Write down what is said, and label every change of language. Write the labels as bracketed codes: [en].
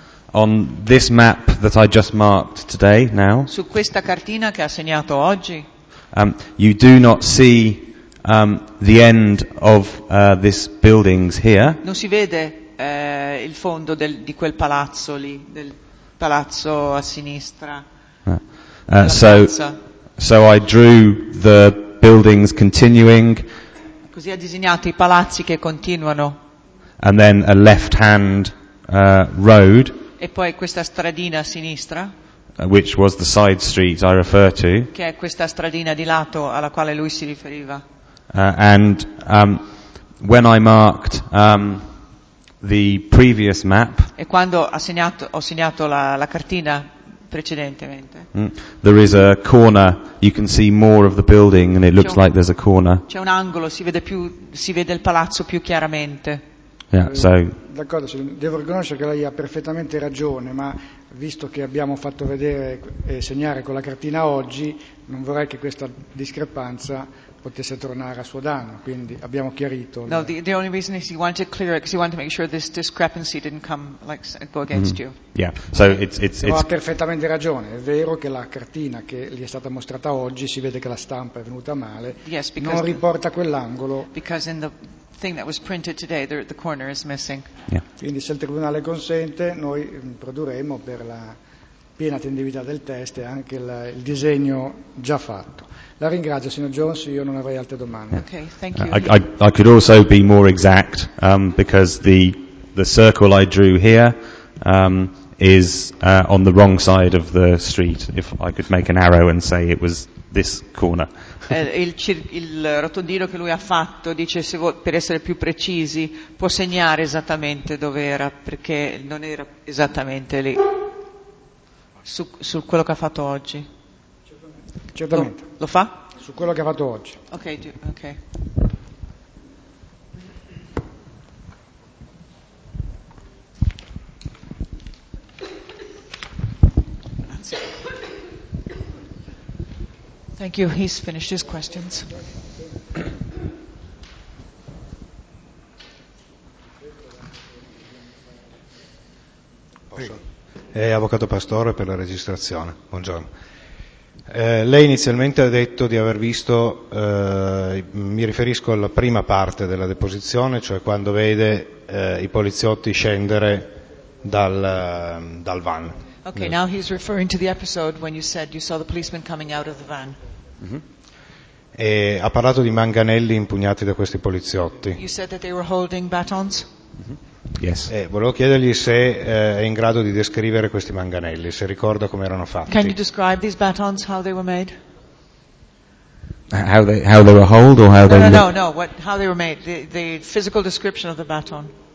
[en] On this map that I just marked today, now. [it] Su questa cartina che ha segnato oggi. [en] You do not see the end of this buildings here. [it] Non si vede il fondo di quel palazzo lì. Palazzo a sinistra. [en] So I drew the buildings continuing. [it] Così ha disegnato I palazzi che continuano. [en] And then a left-hand road. [it] E poi questa stradina a sinistra. [en] Which was the side street I refer to. [it] Che è questa stradina di lato alla quale lui si riferiva. [en] When I marked the previous map. [it] E quando ho segnato la cartina precedentemente. [en] There is a corner. You can see more of the building, and it looks like there's a corner. [it] C'è un angolo. Si vede il palazzo più chiaramente. [en] Yeah, so. [it] D'accordo, devo riconoscere che lei ha perfettamente ragione, ma visto che abbiamo fatto vedere e segnare con la cartina oggi, non vorrei che questa discrepanza potesse tornare a suo danno, quindi abbiamo chiarito. [en] No, the only reason is he wanted to clear it because he wanted to make sure this discrepancy didn't come like go against you. Yeah, so it's [it] ha perfettamente ragione. È vero che la cartina che gli è stata mostrata oggi, si vede che la stampa è venuta male, [en] yes, [it] non riporta quell'angolo. [en] Because in the thing that was printed today, the corner is missing. Yeah. [it] Quindi se il tribunale consente, noi produrremo per la piena attendibilità del test e anche il disegno già fatto. La ringrazio, signor Jones, io non avrei altre domande. [en] Okay, thank you. I could also be more exact because the circle I drew here is on the wrong side of the street. If I could make an arrow and say it was this corner. [it] Il rotondino che lui ha fatto dice, se per essere più precisi, può segnare esattamente dove era, perché non era esattamente lì, su quello che ha fatto oggi. Certamente. Lo fa? Su quello che ha fatto oggi. Ok. Grazie. [en] Thank you. He's finished his questions. [it] Avvocato Pastore per la registrazione. Buongiorno. Lei inizialmente ha detto di aver visto, mi riferisco alla prima parte della deposizione, cioè quando vede I poliziotti scendere dal van. [en] Okay, now he's referring to the episode when you said you saw the policeman coming out of the van. [it] E ha parlato di manganelli impugnati da questi poliziotti. [en] You said that they were holding batons? Yes. [it] Volevo chiedergli se è in grado di descrivere questi manganelli, se ricorda come erano fatti. [en] Can you describe these batons, how they were made? How they were held or how no, they No, no, no, what how they were made, the physical description of the baton.